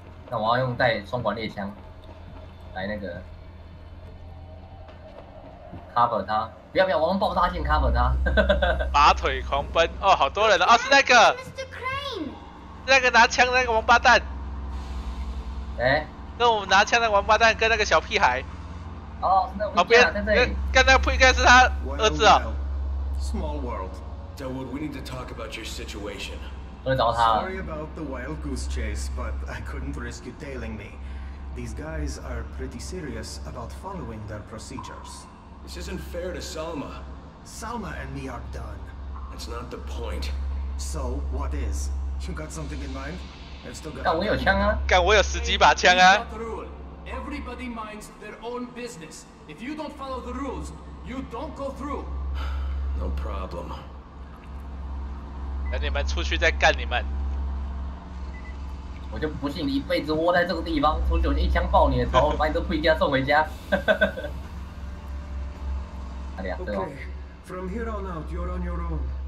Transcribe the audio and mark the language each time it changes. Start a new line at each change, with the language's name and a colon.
Chinese: 那我要用带双管猎枪来那个 cover 他，不要不要，我用爆炸线 cover 他。拔腿狂奔哦，好多人哦，是那个
English: Mr. Crane，
Chinese: 那个拿枪那个王八蛋。哎，跟我们拿枪的王八蛋跟那个小屁孩。哦，那哦不要，刚才不应该是他儿子啊、哦。
English: Small world, Delwood, we need to talk about your situation. Sorry about the wild goose chase, but I couldn't risk you tailing me. These guys are pretty serious about following their procedures. This isn't fair to Salma. Salma and me are done. That's not the point. So what is? You got something in mind? I've still got.
Chinese: 干我有枪啊！干我有十几把枪啊！
English: Everybody minds their own business. If you don't follow the rules, you don't go through. No problem.
Chinese: 等你们出去再干你们！我就不信你一辈子窝在这个地方，出去我就一枪爆你的头，把你这盔甲送回家。
English: okay, from here on out, you're on your own.